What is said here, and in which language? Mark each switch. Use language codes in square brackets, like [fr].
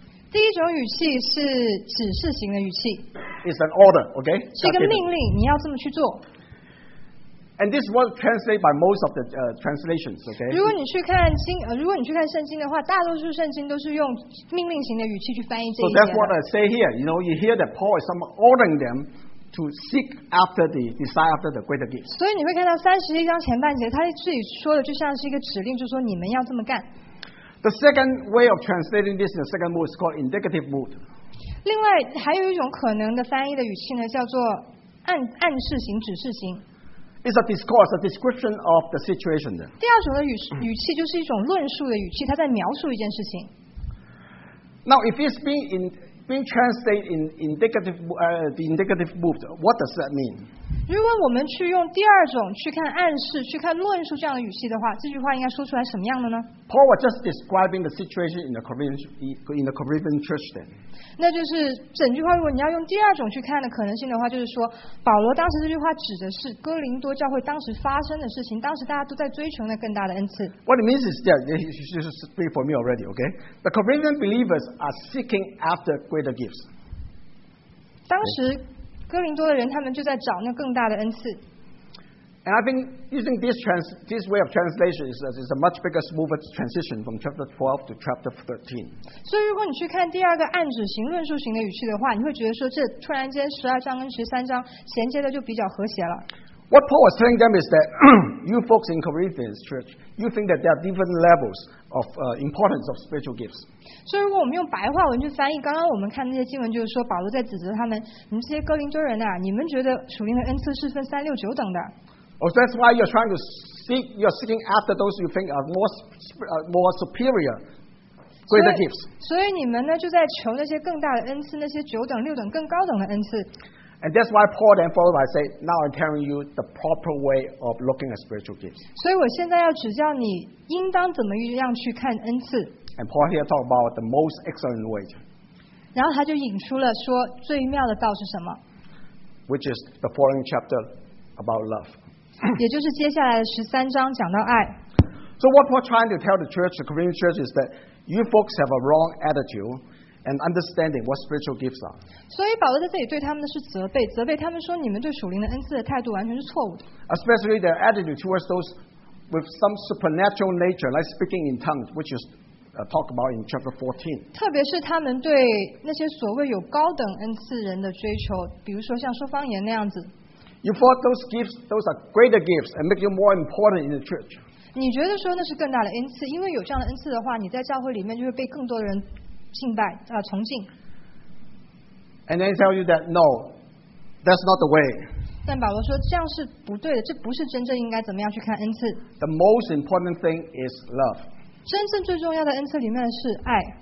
[zh] 第一种语气是指示型的语气。 [en] It's an order, okay? [zh] 是一个命令，你要这么去做。 [en] And this was translated by most of the translations. Okay. [zh] 如果你去看经，如果你去看圣经的话，大多数圣经都是用命令型的语气去翻译这一节。 [en] So that's what I say here. You know, you hear that Paul is ordering them to seek after the desire after the greater gifts. [zh] 所以你会看到三十一章前半节，他自己说的就像是一个指令，就是说你们要这么干。 [en] The second way of translating this in the second mood is called indicative mood. [zh] 另外还有一种可能的翻译的语气呢，叫做暗示型、指示型。 [en] It's a discourse, a description of the situation. [zh] 第二种的语气就是一种论述的语气，它在描述一件事情。 [en] Now, if it's being translated in indicative mood, what does that mean? [zh] 如果我们去用第二种去看暗示、去看论述这样的语气的话，这句话应该说出来什么样的呢？ [en] Paul was just describing the situation in the Corinthian church then. [zh] 那就是整句话，如果你要用第二种去看的可能性的话，就是说保罗当时这句话指的是哥林多教会当时发生的事情，当时大家都在追求那更大的恩赐。 [en] What it means is that you should speak for me already, okay? The Corinthian believers are seeking after greater gifts. [zh] 当时哥林多的人他们就在找那更大的恩赐。 [en] And I think using this way of translation is a much bigger, smoother transition from chapter 12 to chapter 13. [zh] 所以如果你去看第二个暗指型、论述型的语气的话，你会觉得说这突然间十二章跟十三章衔接的就比较和谐了。 [en] What Paul was telling them is that you folks in Corinthians church, you think that there are different levels of importance of spiritual gifts. [zh] 所以如果我们用白话文去翻译，刚刚我们看那些经文，就是说保罗在指责他们，你们这些哥林多人啊，你们觉得属灵的恩赐是分三六九等的。 [en] Oh, that's why you're trying to seek, you're seeking after those you think are more superior, greater gifts. [zh] 所以你们呢，就在求那些更大的恩赐，那些九等、六等、更高等的恩赐。 [en] And that's why Paul then followed by saying, "Now I'm telling you the proper way of looking at spiritual gifts." [zh] 所以我现在要指教你，应当怎么样去看恩赐。 [en] And Paul here talks about the most excellent way. [zh] 然后他就引出了说最妙的道是什么？ [en] Which is the following chapter about love. [zh] 也就是接下来的十三章讲到爱。 [en] So what Paul trying to tell the church, the Corinthian church, is that you folks have a wrong attitude and understanding what spiritual gifts are. [zh] 所以保罗在这里对他们的是责备，责备他们说你们对属灵的恩赐的态度完全是错误的。 [en] Especially their attitude towards those with some supernatural nature, like speaking in tongues, which is talk about in chapter 14. [zh] 特别是他们对那些所谓有高等恩赐人的追求，比如说像说方言那样子。 [en] You thought those gifts, those are greater gifts, and make you more important in the church. [zh] 你觉得说那是更大的恩赐，因为有这样的恩赐的话，你在教会里面就会被更多的人敬拜啊、崇敬。 [en] And they tell you that no, that's not the way. [zh] 但保罗说这样是不对的，这不是真正应该怎么样去看恩赐。 [en] The most important thing is love. [zh] 真正最重要的恩赐里面是爱。